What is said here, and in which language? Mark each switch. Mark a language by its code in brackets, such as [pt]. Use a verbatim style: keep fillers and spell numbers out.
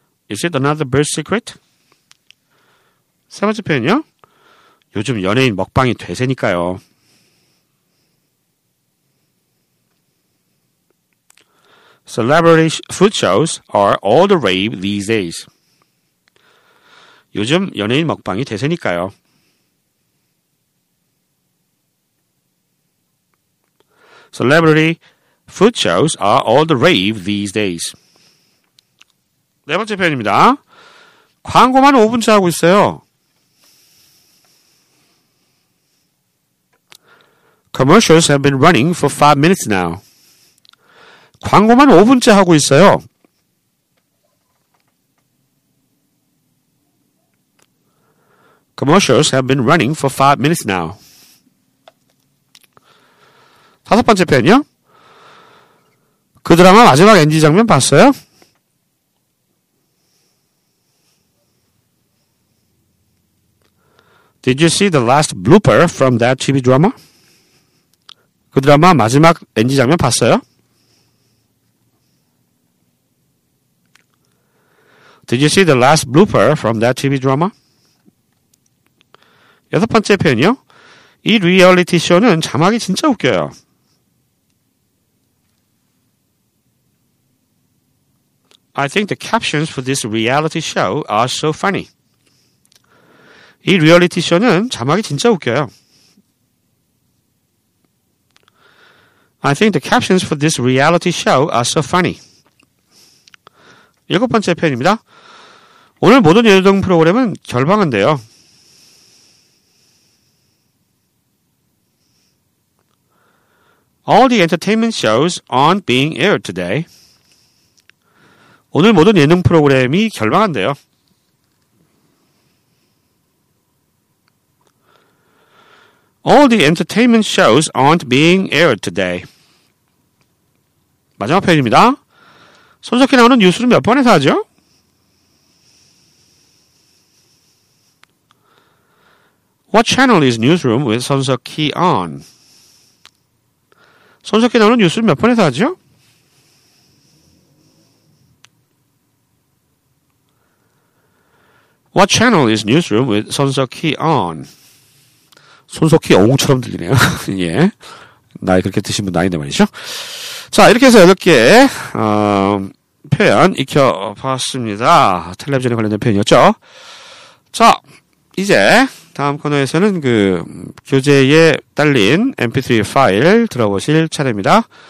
[en] Is it another birth secret? [ko] 세 번째 표현이요. 요즘 연예인 먹방이 대세니까요. [en] Celebrity food shows are all the rave these days. [ko] 요즘 연예인 먹방이 대세니까요. [en] Celebrity food shows are all the rave these days. [ko] 네 번째 표현입니다. 광고만 오 분째 하고 있어요. [en] Commercials have been running for five minutes now. [ko] 광고만 오 분째 하고 있어요. [en] Commercials have been running for five minutes now. [ko] 다섯 번째 표현이요. 그 드라마 마지막 엔지 장면 봤어요? [en] Did you see the last blooper from that 티비 drama? [ko] 그 드라마 마지막 엔지 장면 봤어요? [en] Did you see the last blooper from that 티비 drama? [ko] 여섯 번째 표현이요. 이 리얼리티 쇼는 자막이 진짜 웃겨요. [en] I think the captions for this reality show are so funny. [ko] 이 리얼리티 쇼는 자막이 진짜 웃겨요. [en] I think the captions for this reality show are so funny. [ko] 일곱 번째 표현입니다. 오늘 모든 예능 프로그램은 결방한대요. [en] All the entertainment shows aren't being aired today. [ko] 오늘 모든 예능 프로그램이 결방한대요. [en] All the entertainment shows aren't being aired today. [ko] 마지막 표현입니다. 손석희 나오는 뉴스는 몇 번에서 하죠? [en] What channel is newsroom with 손석희 on? [ko] 손석희 나오는 뉴스는 몇 번에서 하죠? [en] What channel is newsroom with 손석희 on? [ko] 손석희 영웅처럼 들리네요. 예. 나이 그렇게 드신 분 나이인데 말이죠. 자, 이렇게 해서 여덟 개, 어, 표현 익혀봤습니다. 텔레비전에 관련된 표현이었죠. 자, 이제 다음 코너에서는 그 교재에 딸린 엠피쓰리 파일 들어보실 차례입니다.